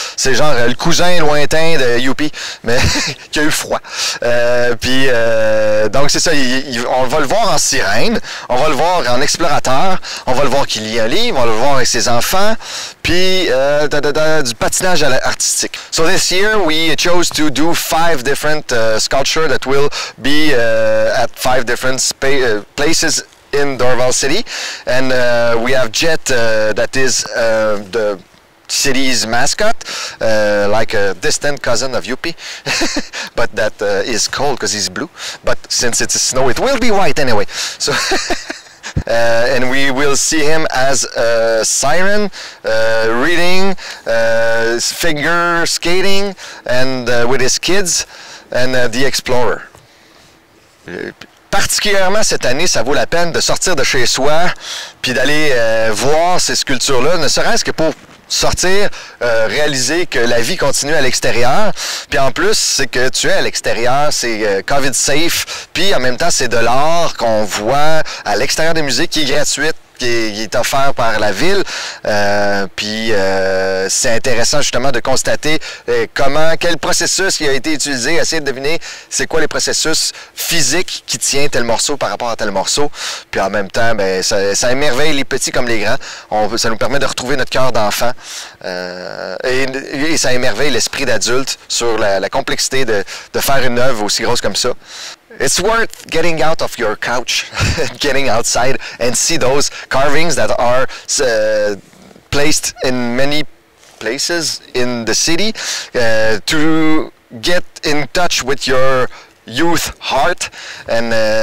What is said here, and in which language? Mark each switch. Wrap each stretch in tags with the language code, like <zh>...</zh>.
<fr>C'est genre le cousin lointain de Youpi, mais qui a eu froid. Donc c'est ça, on va le voir en sirène, on va le voir en explorateur, on va le voir qu'il lit un livre, on va le voir avec ses enfants, puis du patinage artistique.</fr> <en>So this year, we chose to do 5 different sculptures that will be at 5 different places in Dorval City. And we have Jet that is the city's mascot, like a distant cousin of Youpi, but that is cold because he's blue. But since it's snow, it will be white anyway. So, and we will see him as a siren, reading, figure skating, and with his kids, and the explorer.</en> <fr>Particulièrement cette année, ça vaut la peine de sortir de chez soi, puis d'aller voir ces sculptures-là, ne serait-ce que pour sortir, réaliser que la vie continue à l'extérieur. Puis en plus, c'est que tu es à l'extérieur, c'est COVID safe. Puis en même temps, c'est de l'art qu'on voit à l'extérieur des musées qui est gratuite, qui est offert par la ville. Puis c'est intéressant justement de constater comment, quel processus qui a été utilisé, essayer de deviner c'est quoi les processus physiques qui tient tel morceau par rapport à tel morceau. Puis en même temps, ben ça émerveille les petits comme les grands. Ça nous permet de retrouver notre cœur d'enfant. Et ça émerveille l'esprit d'adulte sur la complexité de faire une œuvre aussi grosse comme ça.</fr> <en>It's worth getting out of your couch, getting outside and see those carvings that are placed in many places in the city to get in touch with your youth heart and</en>